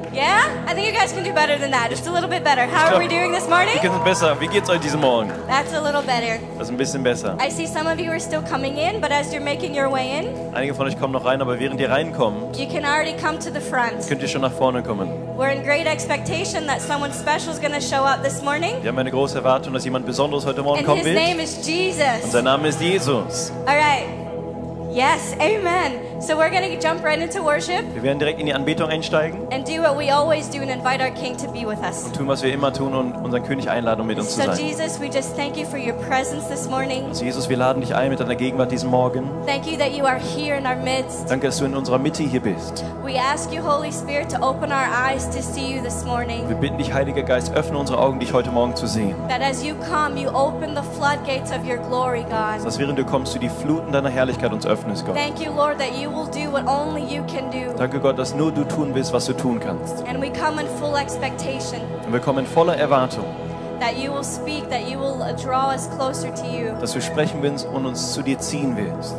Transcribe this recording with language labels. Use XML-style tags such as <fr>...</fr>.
<en>Yeah, I think you guys can do better than that. Just a little bit better. How are we doing this morning?</en> <de>Wir können besser. Wie geht's euch diesen Morgen?</de> <en>That's a little better.</en> <de>Das ist ein bisschen besser.</de> <en>I see some of you are still coming in, but as you're making your way in.</en> <de>Einige von euch kommen noch rein, aber während ihr reinkommt.</de> <en>You can already come to the front.</en> <de>Könnt ihr schon nach vorne kommen.</de> <en>We're in great expectation that someone special is going to show up this morning.</en> <de>Wir haben eine große Erwartung, dass jemand Besonderes heute Morgen kommen wird.</de> <en>And his name is Jesus.</en> <de>Und sein Name ist Jesus.</de> <en>All right. Yes, amen. So we're going to jump right into worship.</en> <de>Wir werden direkt in die Anbetung einsteigen.</de> <en>And do what we always do and invite our King to be with us.</en> <de>Und tun, was wir immer tun und unseren König einladen, um mit uns zu sein.</de> <en>So Jesus, we just thank you for your presence this morning.</en> <de>Und Jesus, wir laden dich ein mit deiner Gegenwart diesen Morgen.</de> <en>Thank you that you are here in our midst.</en> <de>Danke, dass du in unserer Mitte hier bist.</de> <en>We ask you, Holy Spirit, to open our eyes to see you this morning.</en> <de>Wir bitten dich, Heiliger Geist, öffne unsere Augen, dich heute Morgen zu sehen.</de> <en>That as you come, you open the floodgates of your glory, God.</en> <de>Dass während du kommst, du die Fluten deiner Herrlichkeit uns öffnest, Gott.</de> <en>Thank you, Lord, that you will do what only you can do.</en> <de>Danke Gott, dass nur du tun willst, was du tun kannst.</de> <en>And we come in full expectation.</en> <de>Und wir kommen in voller Erwartung.</de> <en>That you will speak, that you will draw us closer to you.</en> <de>Dass du sprechen willst und uns zu dir ziehen willst.</de>